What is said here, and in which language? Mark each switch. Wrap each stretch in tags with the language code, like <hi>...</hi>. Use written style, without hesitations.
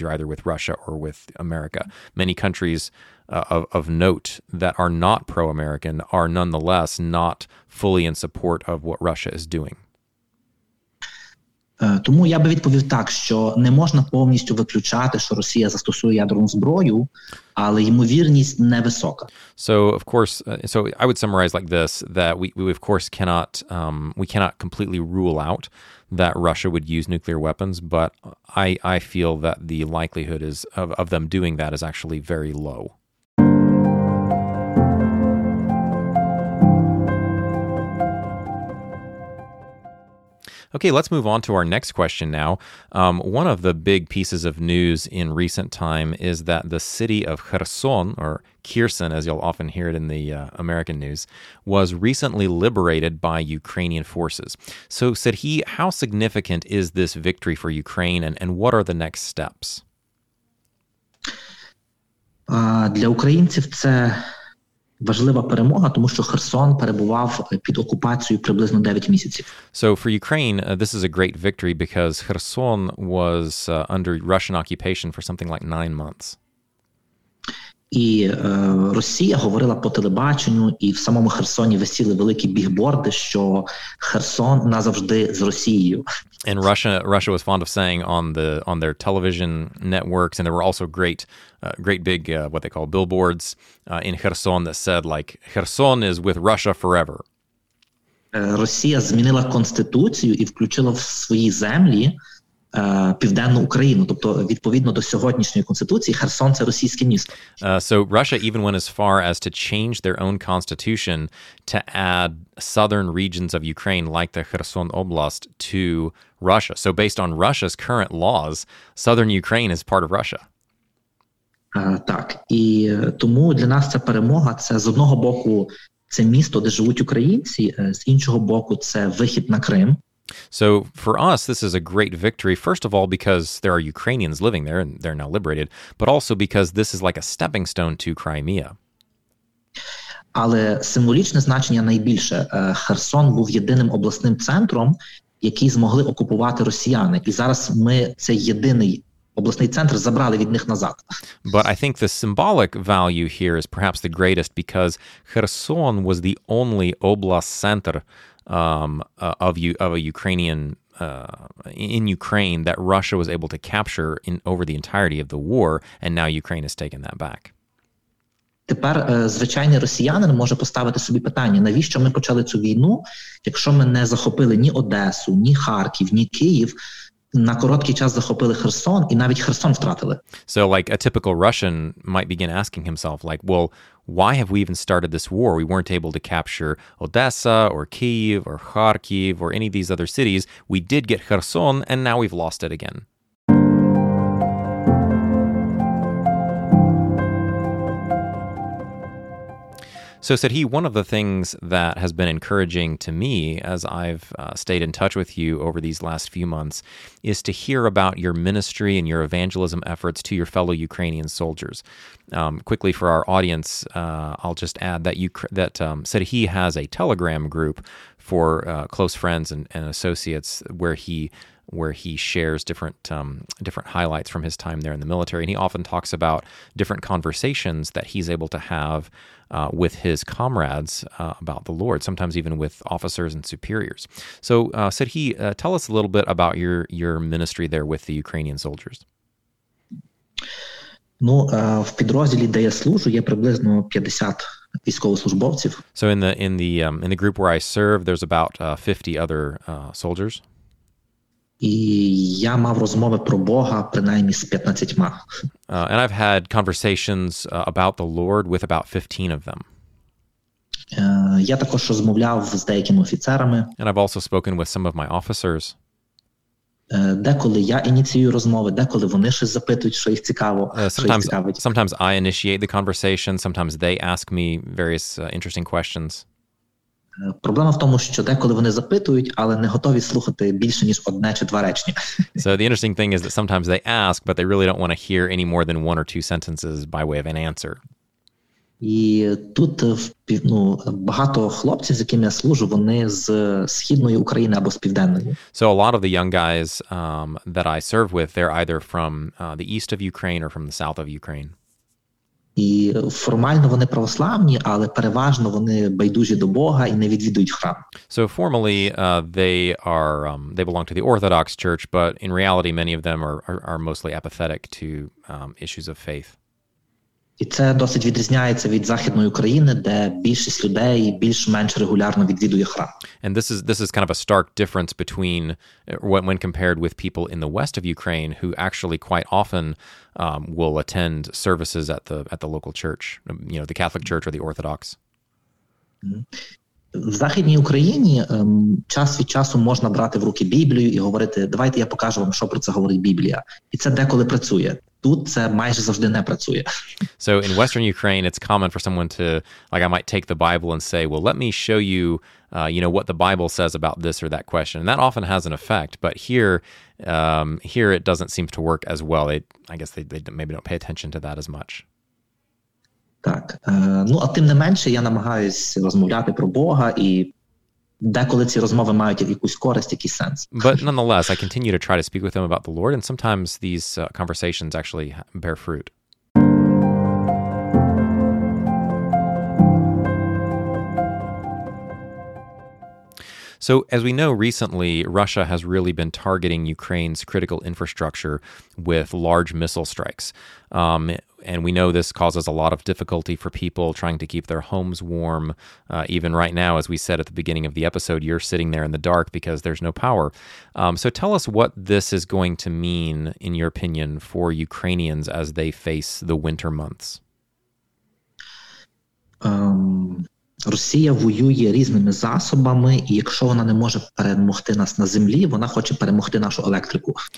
<en>You're either with Russia or with America. Many countries of note that are not pro-American are nonetheless not fully in support of what Russia is doing.</en> <uk>Тому я би відповів так, що не можна повністю виключати, що Росія застосує ядерну зброю, але ймовірність невисока.</uk> <en>So, of course, so I would summarize like this, that we of course cannot, we cannot completely rule out that Russia would use nuclear weapons, but I feel that the likelihood is of them doing that is actually very low. Okay, let's move on to our next question now. One of the big pieces of news in recent time is that the city of Kherson, or Kherson, as you'll often hear it in the American news, was recently liberated by Ukrainian forces. So, Serhii, how significant is this victory for Ukraine, and what are the next steps?</en> <uk>Для українців це важлива перемога, тому що Херсон перебував під окупацією приблизно 9 місяців.</uk> <en>So for Ukraine, this is a great victory because Kherson was under Russian occupation for something like 9 months.</en> <uk>І Росія говорила по телебаченню, і в самому Херсоні висіли великі бігборди, що Херсон назавжди з Росією.</uk> <en>And Russia was fond of saying on their television networks, and there were also great big what they call billboards in Kherson that said like Kherson is with Russia forever.</en> <uk>Росія змінила конституцію і включила в свої землі Південну Україну, тобто відповідно до сьогоднішньої конституції, Херсон це російське місто.</uk> <en>So Russia even went as far as to change their own constitution to add southern regions of Ukraine like the Kherson Oblast to Russia. So based on Russia's current laws, southern Ukraine is part of Russia.</en> <uk>Так, і тому для нас ця перемога, це з одного боку це місто, де живуть українці, з іншого боку це вихід на Крим.</uk> <en>So for us, this is a great victory, first of all, because there are Ukrainians living there and they're now liberated, but also because this is like a stepping stone to Crimea.</en> <uk>Але символічне значення найбільше. Херсон був єдиним обласним центром, який змогли окупувати росіяни. І зараз ми цей єдиний обласний центр забрали від них назад.</uk> <en>But I think the symbolic value here is perhaps the greatest because Kherson was the only oblast center of a Ukrainian in Ukraine that Russia was able to capture in over the entirety of the war, and now Ukraine has taken that back.</en> <uk>Тепер звичайний росіянин може поставити собі питання, навіщо ми почали цю війну, якщо ми не захопили ні Одесу, ні Харків, ні Київ, на короткий час захопили Херсон і навіть Херсон втратили.</uk> <en>So like a typical Russian might begin asking himself like, well, why have we even started this war? We weren't able to capture Odessa or Kyiv or Kharkiv or any of these other cities. We did get Kherson and now we've lost it again. So, Serhii, one of the things that has been encouraging to me as I've stayed in touch with you over these last few months is to hear about your ministry and your evangelism efforts to your fellow Ukrainian soldiers. Quickly for our audience, I'll just add that Serhii has a Telegram group for close friends and associates where he shares different highlights from his time there in the military. And he often talks about different conversations that he's able to have with his comrades about the Lord, sometimes even with officers and superiors. So, Serhii, tell us a little bit about your ministry there with the Ukrainian soldiers.</en> <uk>Ну, в підрозділі, де я служу, є приблизно 50 військовослужбовців.</uk> <en>So in the group where I serve, there's about 50 other soldiers.</en> <uk>І я мав розмови про Бога принаймні з 15-ма.</uk> <en>And I've had conversations about the Lord with about 15 of them.</en> <uk>Я також розмовляв з деякими офіцерами.</uk> <en>And I've also spoken with some of my officers.</en> <uk>Деколи я ініціюю розмови, деколи вони щось запитують, що їх цікаво,</uk> <en>Sometimes,</en> <uk>що їх цікавить.</uk> <en>Sometimes I initiate the conversation, sometimes they ask me various interesting questions.</en> <uk>Проблема в тому, що деколи вони запитують, але не готові слухати більше ніж одне чи два речення.</uk> <en>So the interesting thing is that sometimes they ask, but they really don't want to hear any more than one or two sentences by way of an answer.</en> <uk>І тут багато хлопців, з якими я служу, вони з Східної України або з Південної.</uk> <en>So a lot of the young guys that I serve with, they're either from the east of Ukraine or from the south of Ukraine.</en> <uk>І формально вони православні, але переважно вони байдужі до Бога і не відвідують храм.</uk> <en>So formally they belong to the Orthodox Church, but in reality many of them are mostly apathetic to issues of faith.</en> <uk>І це досить відрізняється від Західної України, де більшість людей більш-менш регулярно відвідує храм.</uk> <en>And this is kind of a stark difference between when compared with people in the west of Ukraine who actually quite often will attend services at the local church, you know, the Catholic Church or the Orthodox.</en> <uk>В Західній Україні час від часу можна брати в руки Біблію і говорити: "Давайте я покажу вам, що про це говорить Біблія". І це деколи працює. Тут це майже завжди не працює.</uk> <en>So in Western Ukraine, it's common for someone to, like, I might take the Bible and say, well, let me show you, you know, what the Bible says about this or that question. And that often has an effect, but here it doesn't seem to work as well. I guess they maybe don't pay attention to that as much.</en> <uk>Так. А тим не менше, я намагаюся розмовляти про Бога, і деколи ці розмови мають якусь користь, якийсь сенс.</uk> <en>But nonetheless, I continue to try to speak with them about the Lord, and sometimes these conversations actually bear fruit. So, as we know, recently, Russia has really been targeting Ukraine's critical infrastructure with large missile strikes. And we know this causes a lot of difficulty for people trying to keep their homes warm. Even right now, as we said at the beginning of the episode, you're sitting there in the dark because there's no power. So tell us what this is going to mean, in your opinion, for Ukrainians as they face the winter months.</en> <uk>Росія воює різними засобами, і якщо вона не може перемогти нас на землі, вона хоче перемогти нашу електрику.</uk>